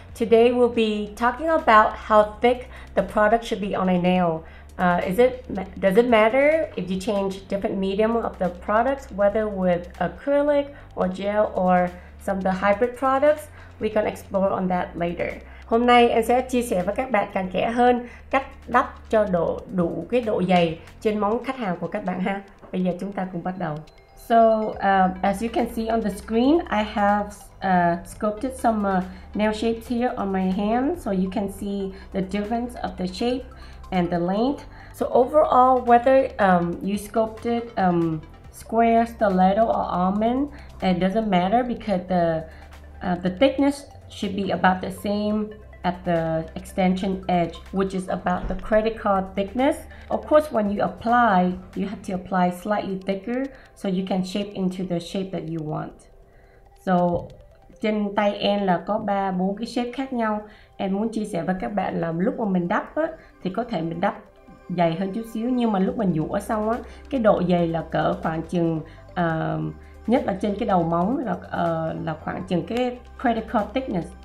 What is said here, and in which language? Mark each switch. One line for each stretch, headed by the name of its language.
English: Today we'll be talking about how thick the product should be on a nail. Does it matter if you change different medium of the products, whether with acrylic or gel or some of the hybrid products? We can explore on that later.
Vietnamese: Hôm nay em sẽ chia sẻ với các bạn cặn kẽ hơn cách đắp cho đủ cái độ dày trên móng khách hàng của các bạn ha. Bây giờ chúng ta cùng bắt đầu.
English: So as you can see on the screen, I have sculpted some nail shapes here on my hand, so you can see the difference of the shape and the length. So overall, whether you sculpted square, stiletto, or almond, it doesn't matter because the thickness should be about the same at the extension edge, which is about the credit card thickness. Of course, when you apply, you have to apply slightly thicker so you can shape into the shape that you want.
Vietnamese: So trên tay em là có 3-4 cái shape khác nhau. Em muốn chia sẻ với các bạn là lúc mà mình đắp á, thì có thể mình đắp dày hơn chút xíu, nhưng mà lúc mình dũa xong á, cái độ dày là cỡ khoảng chừng nhất là trên cái đầu móng là khoảng chừng cái
English: credit card thickness.